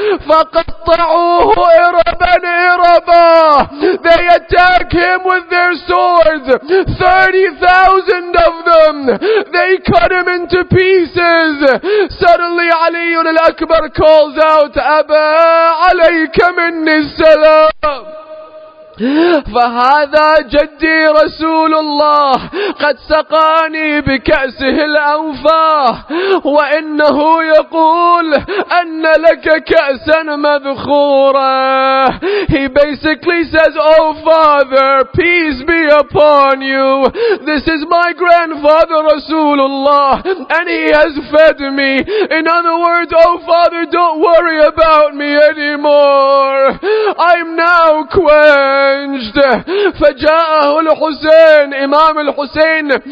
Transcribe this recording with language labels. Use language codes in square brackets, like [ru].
[ar] فَقَطَّعُوهُ إِرَبًا إِرَبًا. [en] They attack him with their swords. 30,000 of them. They cut him into pieces. Suddenly Ali ibn al-Akbar calls out, [ar] أَبَا عَلَيْكَ مِنِّي السَّلَامُ. فهذا جدي رسول الله قد سقاني بكأسه الأوفى وإنه يقول أن لك كأسا مذخورا. [en] He basically says, oh father, peace be upon you. This is my grandfather Rasulullah and he has fed me. In other words, oh father, don't worry about me anymore. I'm now quenched. [ar] فجاءه الحسين, [en] Imam al-Husayn.